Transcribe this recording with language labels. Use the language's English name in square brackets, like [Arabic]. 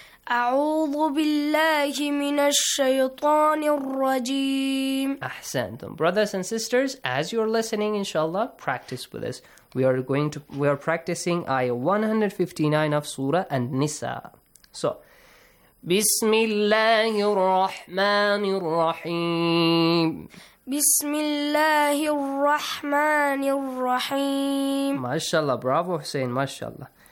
[Arabic] أعوذ بالله من الشيطان الرجيم. أحسنتم. [English] Brothers and sisters, as you're listening, inshallah, practice with us. We are practicing ayah 159 of Surah An-Nisa. [Arabic] So, بسم الله الرحمن الرحيم. بسم الله الرحمن الرحيم. ما شاء الله. Bravo, Hussein. ما شاء الله.